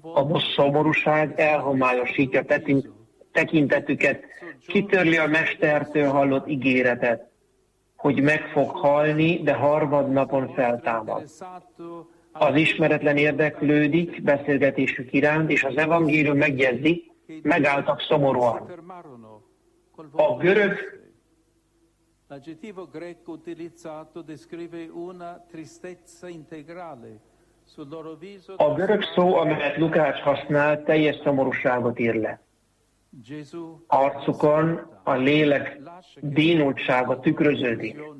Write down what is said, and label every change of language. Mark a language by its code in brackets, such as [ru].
[hu] A szomorúság elhomályosítja tekintetüket, kitörli a mestertől hallott ígéretet, hogy meg fog halni, de harmadnapon feltámad. Az ismeretlen érdeklődik beszélgetésük iránt, és az evangélium megjegyzi, megálltak szomorúan. A görög... [it] L'aggettivo greco utilizzato descrive una tristezza integrale sul loro viso. [hu] A görög szó, amelyet Lukács használ, teljes szomorúságot ír le. Arcukon a lélek dínultsága tükröződik.